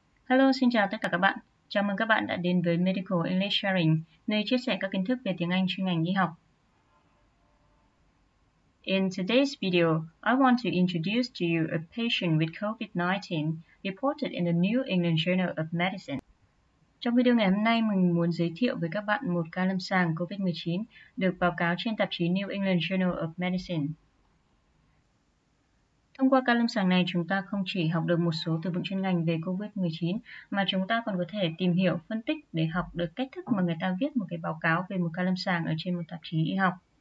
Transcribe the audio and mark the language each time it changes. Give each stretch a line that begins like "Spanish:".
English: Hello,
Vietnamese: xin chào tất cả các bạn. Chào mừng các bạn đã đến với Medical English Sharing, nơi chia sẻ các kiến thức về tiếng Anh chuyên ngành y học.
English: In today's video, I want to introduce to you a patient with COVID-19 reported in the New England Journal of Medicine.
Vietnamese: Trong video ngày hôm nay, mình muốn giới thiệu với các bạn một ca lâm sàng COVID-19 được báo cáo trên tạp chí New England Journal of Medicine. Thông qua ca lâm sàng này, chúng ta không chỉ học được một số từ vựng chuyên ngành về COVID-19, mà chúng ta còn có thể tìm hiểu, phân tích để học được cách thức mà người ta viết một cái báo cáo về một ca lâm sàng ở trên một tạp chí y học.